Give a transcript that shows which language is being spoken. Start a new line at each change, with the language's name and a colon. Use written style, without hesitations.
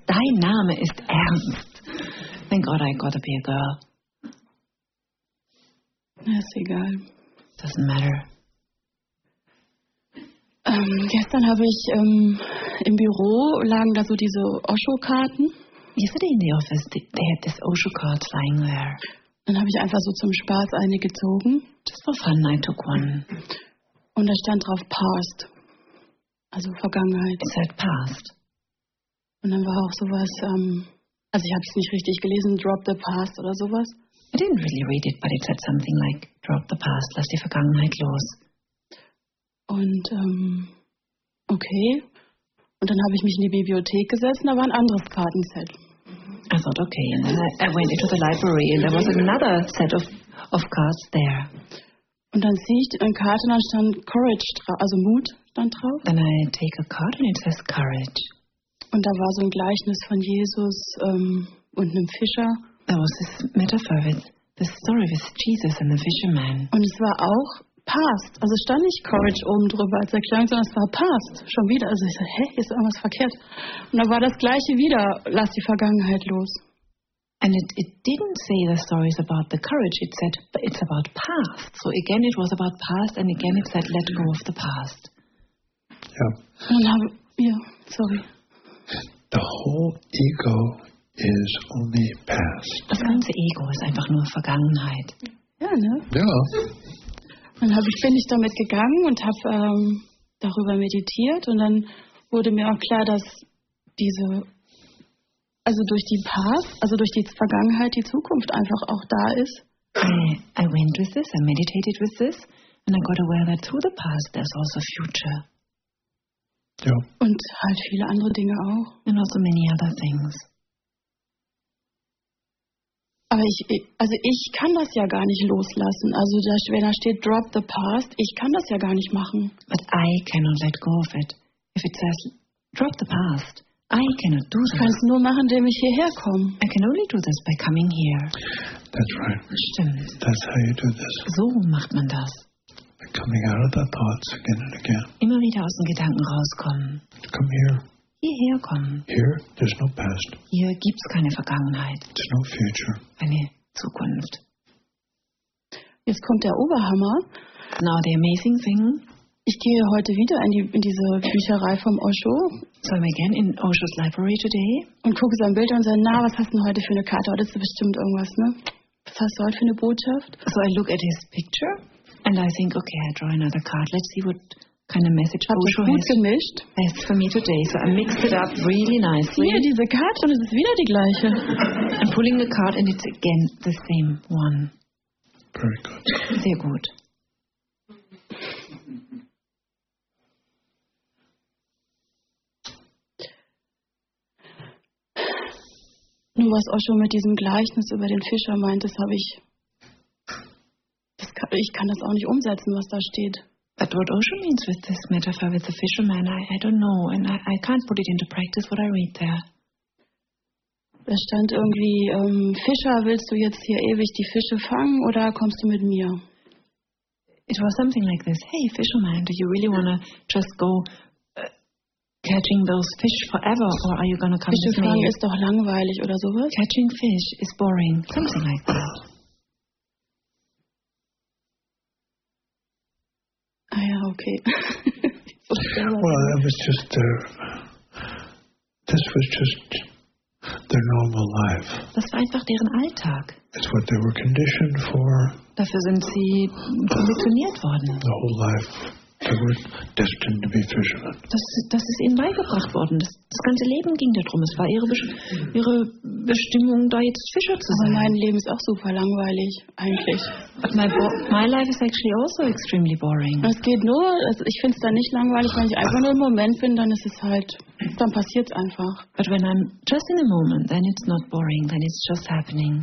German: Dein Name ist Ernst.
English: Thank God I gotta be a girl.
German: Ist egal.
English: Doesn't matter.
German: Gestern habe ich im Büro lagen da so diese Osho-Karten.
English: Yesterday in the office they had this Osho card lying there.
German: Dann habe ich einfach so zum Spaß eine gezogen.
English: Just for fun, I took one.
German: Und da stand drauf past. Also Vergangenheit.
English: It said past.
German: Und dann war auch sowas, also ich habe es nicht richtig gelesen,
English: drop the past
German: oder sowas.
English: I didn't really read it, but it said something like, drop the past,
German: lass die Vergangenheit los. Und, okay. Und dann habe ich mich in die Bibliothek gesessen, da war ein anderes Kartenset.
English: I thought, okay, and then I went into the library and there was another set of cards there.
German: Und dann sehe ich eine Karte und dann stand Courage, also Mut, dann drauf.
English: Then I take a card and it says Courage.
German: Und da war so ein Gleichnis von Jesus und einem Fischer.
English: There was this metaphor with the story with Jesus and the fisherman.
German: Und es war auch passt. Also stand nicht Courage oben drüber als Erklärung, sondern es war passt. Schon wieder. Also ich so, hä, ist irgendwas verkehrt? Und da war das Gleiche wieder. Lass die Vergangenheit los.
English: And it didn't say the story is about the courage. It said it's about past. So again it was about past and again it said let go of the past. Yeah.
German: Und habe,
English: yeah, sorry. The whole ego is only past.
German: Das ganze Ego ist einfach nur Vergangenheit. Ja, ne? Ja. Dann bin ich damit gegangen und habe darüber meditiert und dann wurde mir auch klar, dass diese, also durch die Past, also durch die Vergangenheit, die Zukunft einfach auch da ist.
English: I went with this, I meditated with this and I got aware that through the past there's also future.
German: Ja. Und halt viele andere Dinge auch.
English: And also many other things.
German: Aber ich kann das ja gar nicht loslassen. Also wenn da steht
English: drop the past,
German: ich kann das ja gar nicht machen.
English: But I cannot let go of it. If it says drop the past, I cannot do that.
German: Ich kann es nur machen, indem ich hierher komme.
English: I can only do this by coming here. That's right.
German: Stimmt.
English: That's how you do this.
German: So macht man das.
English: By coming out of the thoughts again and again.
German: Immer wieder aus den Gedanken rauskommen.
English: Come here.
German: Hierher kommen.
English: Here, there's no past.
German: Hier gibt's keine Vergangenheit.
English: There's no future.
German: Keine Zukunft. Jetzt kommt der Oberhammer.
English: Now the amazing thing.
German: Ich gehe heute wieder in diese Bücherei vom Osho.
English: So I'm again in Osho's library today.
German: Und gucke sein Bild und sage, na, was hast du denn heute für eine Karte? Heute ist bestimmt irgendwas, ne? Was hast du heute für eine Botschaft?
English: So I look at his picture and I think, okay, I draw another card. Let's see what kind of message
German: Hat Osho gut gemischt.
English: Has for me today. So I mixed it up really nicely.
German: Wieder diese Karte und es ist wieder die gleiche.
English: I'm pulling the card and it's again the same one. Very good.
German: Sehr gut. Nur was Osho mit diesem Gleichnis über den Fischer meint, das habe ich... Ich kann das auch nicht umsetzen, was da steht.
English: But what Osho means with this metaphor with the fisherman, I don't know. And I can't put it into practice what I read there.
German: Da stand irgendwie, Fischer, willst du jetzt hier ewig die Fische fangen oder kommst du mit mir?
English: It was something like this. Hey, fisherman, do you really want to just go catching those fish forever or are you going to come
German: Fische
English: with me?
German: Fischefangen ist doch langweilig oder sowas.
English: Catching fish is boring. Something like that. Okay. Well, that was just their. This was just their normal life.
German: Das war einfach deren Alltag.
English: It's what they were conditioned for.
German: Dafür sind sie konditioniert worden.
English: The whole life they were destined to be fishermen.
German: Das ist ihnen beigebracht worden. Das ganze Leben ging darum. Es war ihre Bestimmung, da jetzt Fischer zu sein. Aber mein Leben ist auch super langweilig, eigentlich.
English: But my life is actually also extremely boring.
German: Es geht nur, also ich finde es dann nicht langweilig, wenn ich einfach nur im Moment bin, dann ist es halt, dann passiert es einfach.
English: But when I'm just in a moment, then it's not boring, then it's just happening.